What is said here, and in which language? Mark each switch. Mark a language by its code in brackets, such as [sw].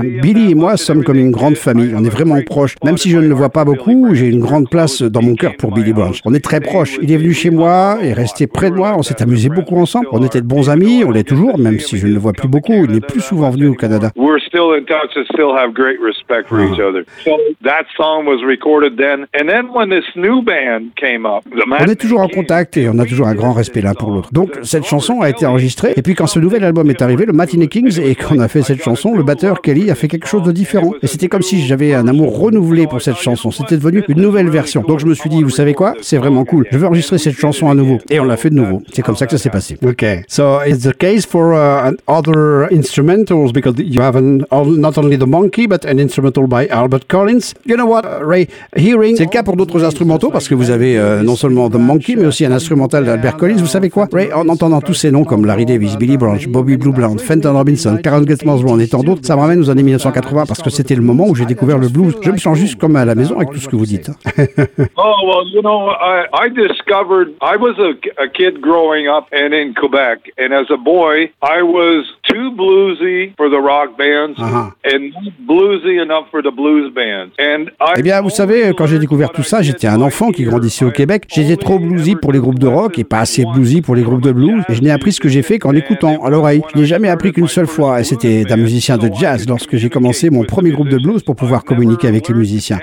[fr] Billy et moi sommes comme une grande famille, on est vraiment proches. Même si je ne le vois pas beaucoup, j'ai une grande place dans mon cœur pour Billy Branch. On est très proches, il est venu chez moi, il est resté près de moi, on s'est amusé beaucoup ensemble. On était de bons amis, on l'est toujours, même si je ne le vois plus beaucoup, il n'est plus souvent venu au Canada. [en] Still in touch and still have great respect for each other. So that song was recorded then. And then when this new band came up, the [fr] Matt on est toujours en contact et on a toujours un grand respect l'un pour l'autre. Donc cette chanson a été enregistrée et puis quand ce nouvel album est arrivé, le Matinee Kings, et qu'on a fait cette chanson, le batteur Kelly a fait quelque chose de différent. Et c'était comme si j'avais un amour renouvelé pour cette chanson. C'était devenu une nouvelle version. Donc je me suis dit, vous savez quoi, c'est vraiment cool. Je veux enregistrer cette chanson à nouveau. Et on l'a fait de nouveau. C'est comme ça que ça s'est passé. [en] Okay. So it's the case for other instrumentals because you haven't not only The Monkey, but an instrumental by Albert Collins. You know what, Ray, hearing... [fr] C'est le cas pour d'autres instrumentaux, parce que vous avez non seulement The Monkey, mais aussi un instrumental d'Albert Collins. Vous savez quoi, Ray, en entendant tous ces noms comme Larry Davis, Billy Branch, Bobby Blue Bland, Fenton Robinson, Clarence Gates Mouth Brown et tant d'autres, ça me ramène aux années 1980, parce que c'était le moment où j'ai découvert le blues. Je me sens juste comme à la maison avec tout ce que vous dites. [en] Oh, well, you know, I discovered... I was a kid growing up and in Quebec, and as a boy, I was too bluesy for the rock bands. And bluesy enough for the blues band. And I... [fr] Eh bien, vous savez, quand j'ai découvert tout ça, j'étais un enfant qui grandissait au Québec. J'étais trop bluesy pour les groupes de rock et pas assez bluesy pour les groupes de blues. Et je n'ai appris ce que j'ai fait qu'en écoutant à l'oreille. Je n'ai jamais appris qu'une seule fois, et c'était d'un musicien de jazz lorsque j'ai commencé mon premier groupe de blues pour pouvoir communiquer avec les musiciens.